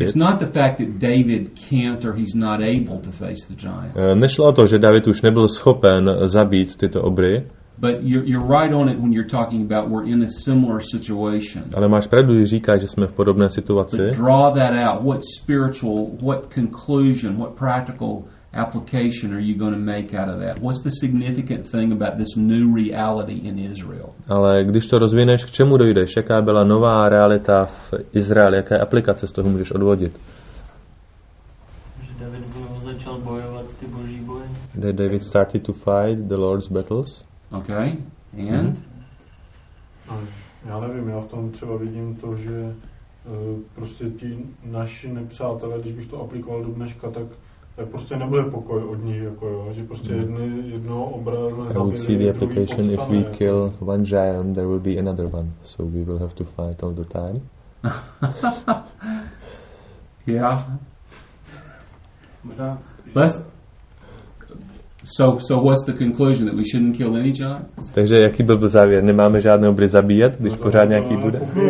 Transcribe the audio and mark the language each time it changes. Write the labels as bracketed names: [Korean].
[English] It's not the fact that David can't or he's not able to face the giant. [Czech] Nešlo o to, že David už nebyl schopen zabít tyto obry. [English] But you're right on it when you're talking about we're in a similar situation. [Czech] Ale máš pravdu, když říkáš, že jsme v podobné situaci. [English] But draw that out. What spiritual, what conclusion, what practical application are you going to make out of that? What's the significant thing about this new reality in Israel? [Czech] Ale když to rozvineš, k čemu dojdeš? Jaká byla nová realita v Izraeli? Jaké aplikace z toho můžeš odvodit? Že David znovu začal bojovat ty boží boje. [English] That David started to fight the Lord's battles. Okay. And? [Czech] Já nevím, já v tom třeba vidím to, že prostě ti naši nepřátelé, když bych to aplikoval do dneška, tak prostě nebude pokoj od nich, jako jo, že prostě jedno obrazové zabije. [English] I would see the application if we kill one giant, there will be another one, so we will have to fight all the time. Yeah. So what's the conclusion that we shouldn't kill any giant? [Czech] Takže jaký byl závěr? Nemáme žádné obry zabíjet, když pořád nějaký bude.